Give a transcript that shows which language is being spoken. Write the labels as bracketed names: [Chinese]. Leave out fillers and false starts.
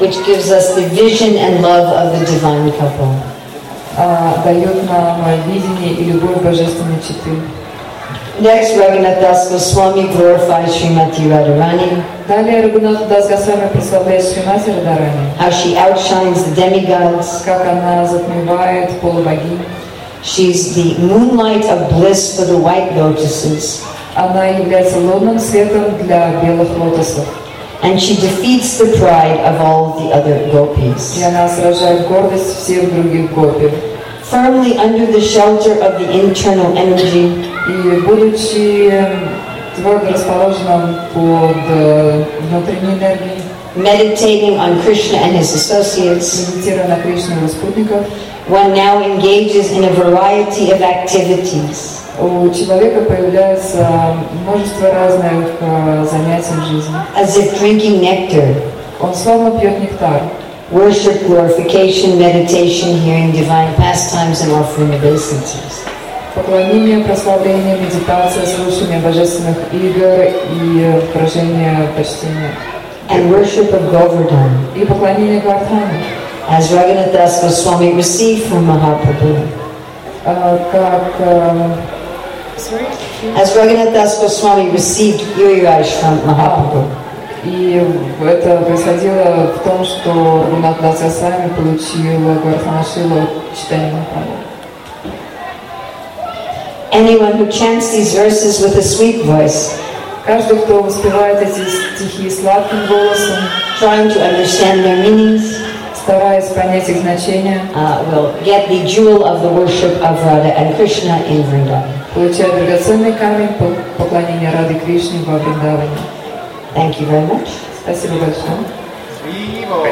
[English] Which gives us the vision and love of the divine couple. [Russian] Дает нам видение и любовь божественной четы. [English] Next, Raghunath Das Goswami glorifies Srimati Radharani. [Russian] Далее Рагунат Дас Госвами прославляет Шримати Радхарани. [English] How she outshines the demigods. [Russian] Как она затмевает полубогинь. [English] She's the moonlight of bliss for the white lotuses. [Russian] Она является лунным светом для белых лотосов. [English] And she defeats the pride of all the other gopis. [Russian] И она сражает гордость всех других гопи. [English] Firmly under the shelter of the internal energy. [Russian] И будучи твердо расположенным под внутренней энергией. [English] Meditating on Krishna and his associates. [Russian] Медитируя на Кришну и его спутников. [English] One now engages in a variety of activities. [Russian] У человека появляется множество разных занятий в жизни. [English] As if drinking nectar. [Russian] Он словно пьет нектар. [English] Worship, glorification, meditation, hearing divine pastimes and offering obeisances. [Russian] Поклонение, прославление, медитация, слушание божественных игр и выражение почтения. [English] And worship of Govardhan. [Russian] И поклонение Говардхану. [English] As Raghunath Das Goswami received from Mahaprabhu. As Raghunath Das Goswami received Giriraj from Mahaprabhu. [Russian] И это происходило в том, что Раганат Дас Госвами получил Говардхана Шрилу читание Махапрабху. [English] Anyone who chants these verses with a sweet voice, [Russian] каждый, кто воспевает эти стихи сладким голосом, [English] trying to understand their meanings, [Russian] стараясь понять их значение, [English] will get the jewel of the worship of Radha and Krishna in Vrindavan. [Russian] Получает драгоценный камень поклонения Рады Кришне во Вриндаване. [English] Thank you very much. [Russian] Спасибо большое.